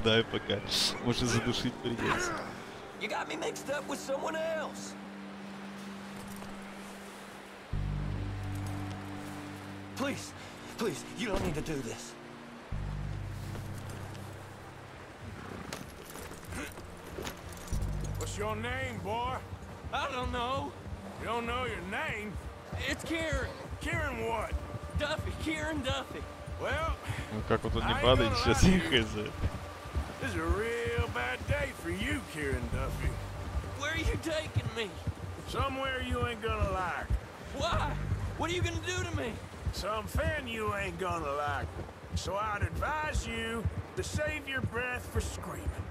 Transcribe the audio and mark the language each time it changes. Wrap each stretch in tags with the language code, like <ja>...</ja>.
<ru>Пока. Может задушить придется.</ru> <en>You got me mixed up with someone else. Please, please, you don't need to do this. What's your name, boy? I don't know. You don't know your name? It's Kieran. Kieran what? Duffy, Kieran Duffy. Well,</en> <ru>ну как вот он не падает сейчас, хз.</ru> <en>This is a real bad day for you, Kieran Duffy. Where are you taking me? Somewhere you ain't gonna like. Why? What are you gonna do to me? Some fan you ain't gonna like. So I'd advise you to save your breath for screaming.</en>